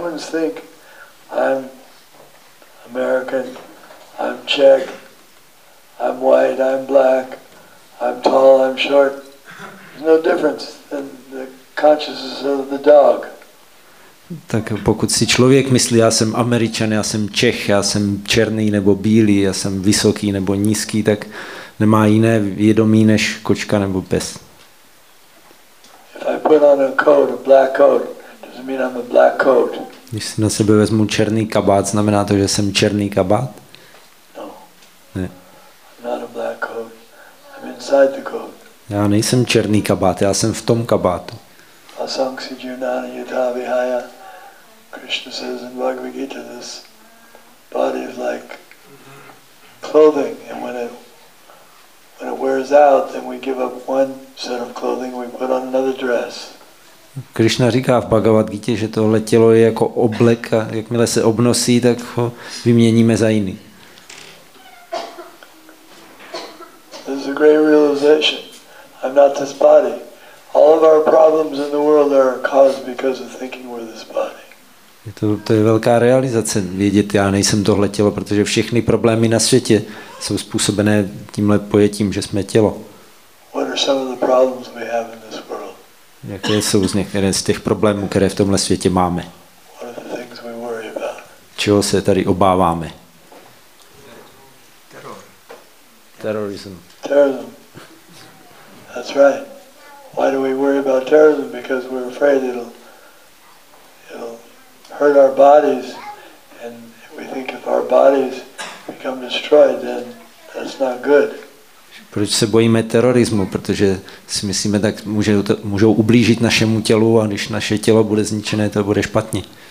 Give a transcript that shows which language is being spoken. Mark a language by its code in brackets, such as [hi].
[en] Think I'm American, I'm Czech, I'm white, I'm black, I'm tall, I'm short. There's no difference than the consciousness of the dog. [cs] Tak pokud si člověk myslí, já jsem Američan, já jsem Čech, já jsem černý nebo bílý, já jsem vysoký nebo nízký, tak nemá jiné vědomí než kočka nebo pes. [en] If I put on a coat, a black coat, doesn't mean I'm a black coat. [cs] Když si na sebe vezmu černý kabát, znamená to, že jsem černý kabát? [en] No. [cs] Ne. [en] I'm not a black coat. I'm inside the coat. [cs] Já nejsem černý kabát, já jsem v tom kabátu. [sa] Asaṃkṣi jīvanāni yathā vihāya. [en] Krishna says in Bhagavad Gita, this body is like clothing, and when it wears out, then we give up one set of clothing, we put on another dress. [cs] Krishna říká v Bhagavad Gita, že tohle tělo je jako oblek a jakmile se obnosí, tak ho vyměníme za jiný. [en] This is a great realization. I'm not this body. All of our problems in the world are caused because of thinking we're this body. [cs] To je velká realizace vědět, já nejsem tohle tělo, protože všechny problémy na světě jsou způsobené tímhle pojetím, že jsme tělo. [en] What are some of the problems we have in this world? [cs] Jaké jsou z některé z těch problémů, které v tomhle světě máme? [en] What are the things we worry about? [cs] Čeho se tady obáváme? [en] Terrorism. Terrorism. That's right. Why do we worry about terrorism? Because we're afraid it'll hurt our bodies, and we think if our bodies become destroyed, then that's not good. [cs] Proč se bojíme terorismu? Protože si myslíme, tak můžou ublížit našemu tělu a když naše tělo bude zničené, to bude špatně.